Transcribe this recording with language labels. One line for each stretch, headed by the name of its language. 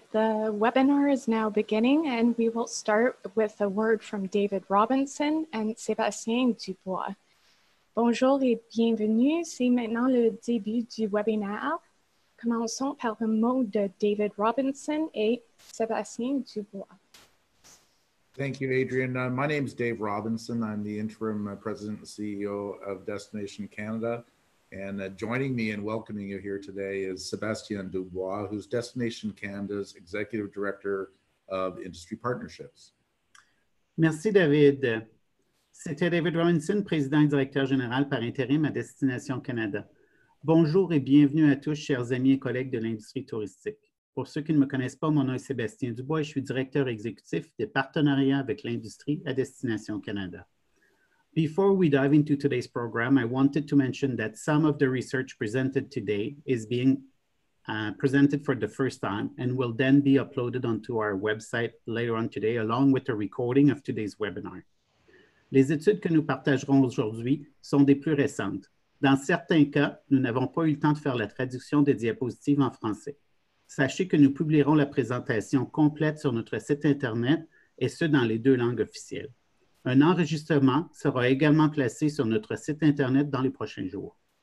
English: The webinar is now beginning and we will start with a word from David Robinson and Sébastien Dubois.
French: Bonjour et bienvenue, c'est maintenant le début du webinaire. Commençons par le mot de David Robinson et Sébastien Dubois.
English: Thank you, Adrian. My name is Dave Robinson. I'm the interim president and CEO of Destination Canada. And joining me and welcoming you here today is Sébastien Dubois, who's Destination Canada's Executive Director of Industry Partnerships.
French: Merci, David. C'était David Robinson, président et directeur général par intérim à Destination Canada. Bonjour et bienvenue à tous, chers amis et collègues de l'industrie touristique. Pour ceux qui ne me connaissent pas, mon nom est Sébastien Dubois et je suis directeur exécutif des partenariats avec l'industrie à Destination Canada.
English: Before we dive into today's program, I wanted to mention that some of the research presented today is being presented for the first time and will then be uploaded onto our website later on today, along with a recording of today's webinar.
French: Les études que nous partagerons aujourd'hui sont des plus récentes. Dans certains cas, nous n'avons pas eu le temps de faire la traduction des diapositives en français. Sachez que nous publierons la présentation complète sur notre site Internet et ce, dans les deux langues officielles. Un enregistrement sera également placé sur notre site Internet dans les prochains jours.